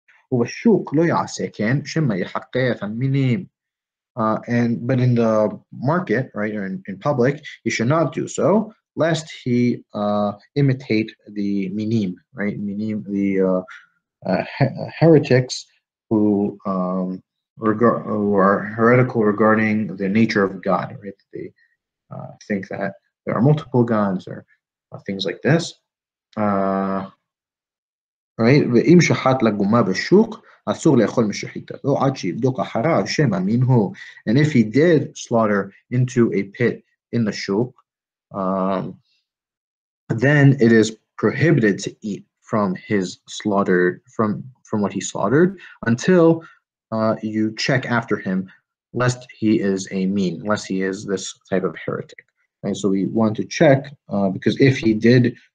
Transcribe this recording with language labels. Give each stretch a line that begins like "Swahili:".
English: But in the market, right, or in public, he should not do so, lest he imitate the minim, right? Minim, the heretics who are heretical regarding the nature of God, right? They think that there are multiple gods or things like this, right?
Hebrew: ואם שחט לגומה בשוק, אסור לאכול משחיתתו עד שיבדוק אחריו שמא מין הוא.
English: And if he did slaughter into a pit in the shuk, then it is prohibited to eat from his slaughter, from what he slaughtered, until you check after him, lest he is a mean, lest he is this type of heretic. And so we want to check, because if he did